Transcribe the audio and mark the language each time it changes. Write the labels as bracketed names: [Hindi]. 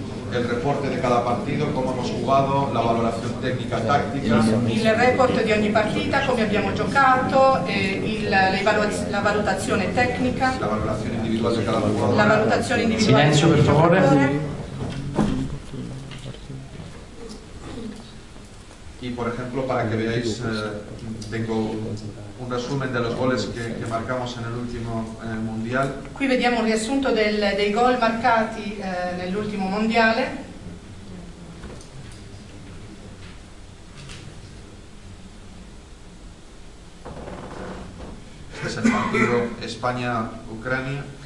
[Spanish] El reporte de cada partido, cómo hemos jugado, la valoración técnica táctica. [Italian] Il report di ogni partita, come abbiamo giocato, la valutazione tecnica. La valutazione individuale di cada giocatore. La valutazione individuale. Silenzio, per favore. [Spanish] Y por ejemplo, para que veáis, tengo un resumen de los goles que marcamos en el último mundial. [Italian] Qui vediamo un riassunto dei gol marcati nell'ultimo mondiale. Questo è il partito Spagna-Ucraina.